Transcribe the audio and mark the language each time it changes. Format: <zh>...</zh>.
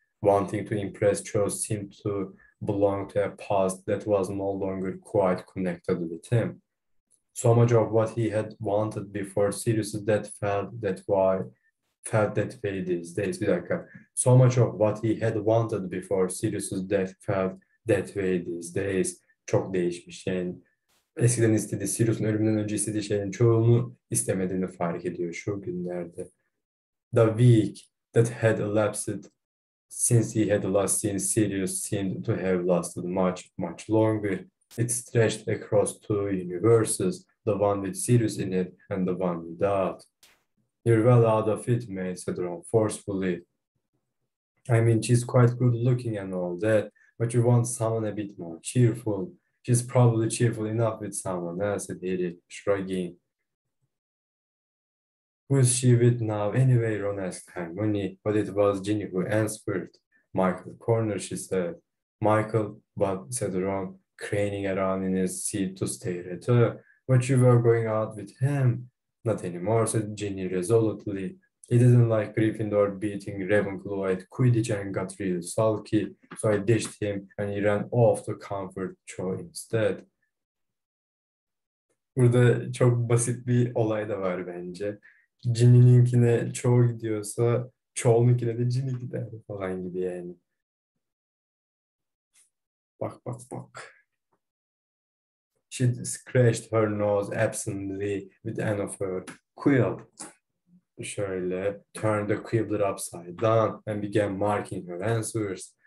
<en>Wanting to impress Cho seemed to belong to a past that was no longer quite connected with him. So much of what he had wanted before seriously that felt that way. Felt that way these days. So much of what he had wanted before Sirius's death felt that way these days.</en> <tr>Çok değişmiş. Yani eskiden istediği, Sirius'un ölümünden önce istediği şeyin çoğunu istemediğini fark ediyor şu günlerde.</tr> <en>The week that had elapsed since he had last seen Sirius seemed to have lasted much, much longer. It stretched across two universes, the one with Sirius in it and the one without. "You're well out of it, mate," said Ron forcefully. "I mean, she's quite good looking and all that, but you want someone a bit more cheerful. She's probably cheerful enough with someone else," said Harry, shrugging. "Who's she with now anyway?" Ron asked Hermione, but it was Ginny who answered. "Michael Corner," she said. "Michael," but said Ron, craning around in his seat to stare at her. "But you were going out with him." "Not anymore," said Ginny resolutely. "He didn't like Gryffindor beating Ravenclaw at Quidditch and got really sulky, so I ditched him and he ran off to comfort Cho instead."</en> <tr>Burada çok basit bir olay da var bence. Ginny'ninkine Cho gidiyorsa, Cho'nunkine de Ginny gider falan gibi yani. Bak bak bak.</tr> <en>She scratched her nose absently with end of her quill.</en> <tr>Şöyle</tr> <en>turned the quibbler upside down and began marking her answers.</en>